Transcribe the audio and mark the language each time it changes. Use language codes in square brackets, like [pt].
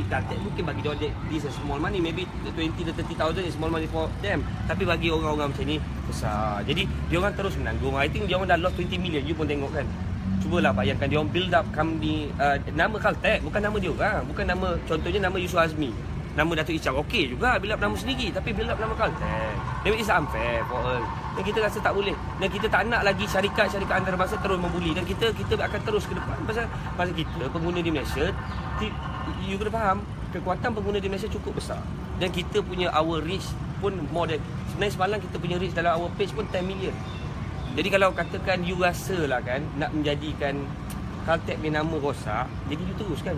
[ms] Caltech mungkin bagi dia, [en] this is small money. Maybe 20,000 to 30,000 is small money for them. [ms] Tapi bagi orang-orang macam ni, besar. Jadi dia orang terus menanggung. I think dia orang dah lost 20 million. You pun tengok kan. Cubalah bayangkan dia orang build up company, nama Caltech. Bukan nama dia orang. Bukan nama, contohnya nama Yusuf Azmi, nama Datuk Ishak, okey juga build up nama sendiri. Tapi build up nama Caltech, [en] it's unfair for us. [ms] Dan kita rasa tak boleh. Dan kita tak nak lagi syarikat-syarikat antarabangsa terus membuli. Dan kita akan terus ke depan. Pasal kita pengguna di Malaysia, you kena faham, kekuatan pengguna di Malaysia cukup besar. Dan kita punya [en] our reach [ms] pun [en] more than, [ms] sebenarnya semalam kita punya reach dalam [en] our page [ms] pun 10 million. Jadi kalau katakan you rasa lah kan nak menjadikan Caltech punya nama rosak, jadi you teruskan.